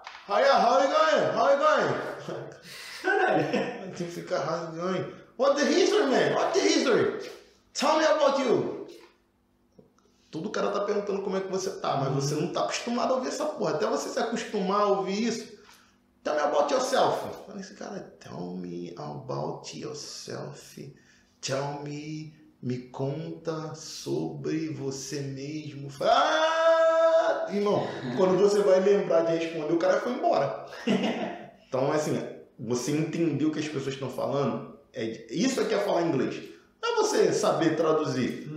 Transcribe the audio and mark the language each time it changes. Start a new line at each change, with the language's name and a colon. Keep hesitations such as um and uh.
English: Hiya, how are you going? How are you going?
Portuguese: Caralho. Tem que ficar rasgando.
English: What the history, man? What the history? Tell me about you.
Portuguese: Todo o cara tá perguntando como é que você tá, mas hum. você não tá acostumado a ouvir essa porra. Até você se acostumar a ouvir isso.
English: Tell me about yourself.
Portuguese: Fala esse cara,
English: tell me about yourself. Tell me,
Portuguese: me conta sobre você mesmo. ah! irmão, quando você vai lembrar de responder, o cara foi embora. Então, assim, você entendeu o que as pessoas estão falando? Isso é, isso aqui é falar inglês é você saber traduzir. Hum.